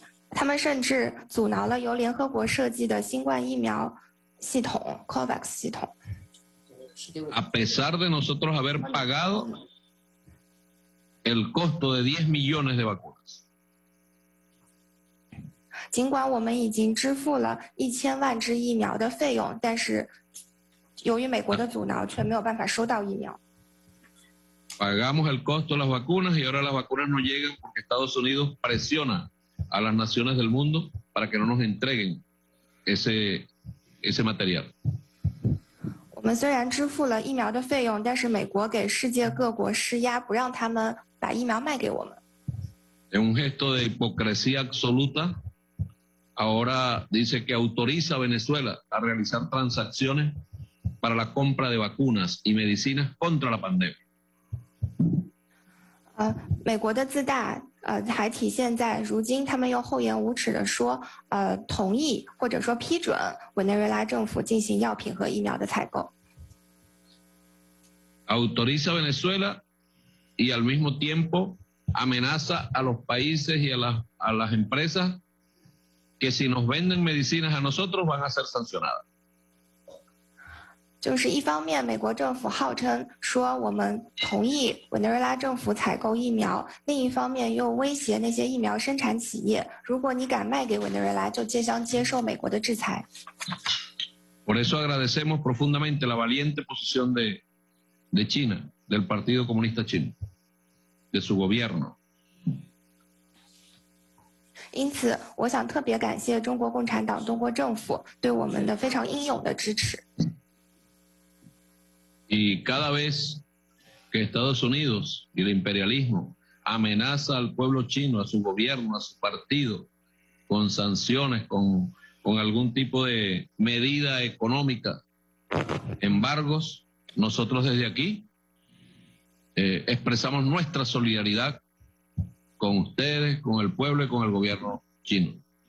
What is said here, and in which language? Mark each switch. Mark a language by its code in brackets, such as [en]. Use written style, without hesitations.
[zh] 他们甚至阻挠了由联合国设计的新冠疫苗系统 COVAX 系统。 [es] A pesar de nosotros haber pagado el costo de 10 millones de vacunas. [zh] 尽管我们已经支付了1000万只疫苗的费用，但是。由于美国的阻挠，却没有办法收到疫苗。 [es] Pagamos el costo de las vacunas y ahora las vacunas no llegan porque Estados Unidos presiona a las naciones del mundo para que no nos entreguen ese material. [zh] 我们虽然支付了疫苗的费用，但是美国给世界各国施压，不让他们把疫苗卖给我们。 [es] Es un gesto de hipocresía absoluta. Ahora dice que autoriza a Venezuela a realizar transacciones. Para la compra de vacunas y medicinas contra la pandemia. [zh] 美国的自大，还体现在如今他们又厚颜无耻的说，同意或者说批准委内瑞拉政府进行药品和疫苗的采购。 [es] Autoriza Venezuela y al mismo tiempo amenaza a los países y a las empresas que si nos venden medicinas a nosotros van a ser sancionadas. [zh] 就是一方面，美国政府号称说我们同意委内瑞拉政府采购疫苗，另一方面又威胁那些疫苗生产企业，如果你敢卖给委内瑞拉，就将接受美国的制裁。 [es] Por eso agradecemos profundamente la valiente posición de China, del Partido Comunista Chino, de su gobierno. [zh] 因此，我想特别感谢中国共产党、中国政府对我们的非常英勇的支持。 [es] Y cada vez que Estados Unidos y el imperialismo amenaza al pueblo chino, a su gobierno, a su partido, con sanciones, con algún tipo de medida económica, embargos, nosotros desde aquí, expresamos nuestra solidaridad con ustedes, con el pueblo y con el gobierno chino.